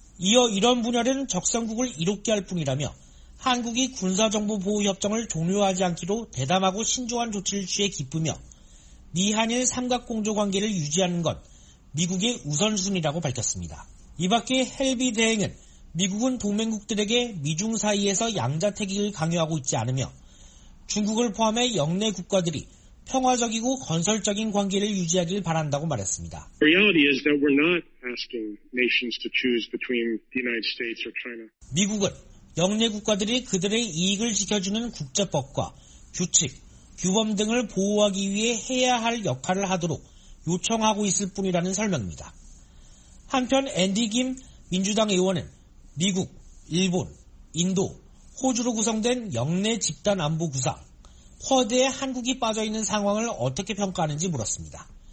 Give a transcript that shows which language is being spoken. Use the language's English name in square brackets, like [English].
[Korean] 이어 이런 분열은 적성국을 이롭게 할 뿐이라며 한국이 군사정보보호협정을 종료하지 않기로 대담하고 신중한 조치를 취해 기쁘며 미한일 삼각공조 관계를 유지하는 건 미국의 우선순위라고 밝혔습니다. 이밖에 헬비 대행은 미국은 동맹국들에게 미중 사이에서 양자택일을 강요하고 있지 않으며 중국을 포함해 영내 국가들이 평화적이고 건설적인 관계를 유지하길 바란다고 말했습니다. [English] The reality is that we're not asking nations to choose between the United States or China. [Korean] 미국은 영내 국가들이 그들의 이익을 지켜주는 국제법과 규칙, 규범 등을 보호하기 위해 해야 할 역할을 하도록 요청하고 있을 뿐이라는 설명입니다. 한편 앤디 김 민주당 의원은 미국, 일본, 인도, 호주로 구성된 영내 집단 안보 구상, 쿼드에 한국이 빠져있는 상황을 어떻게 평가하는지 물었습니다.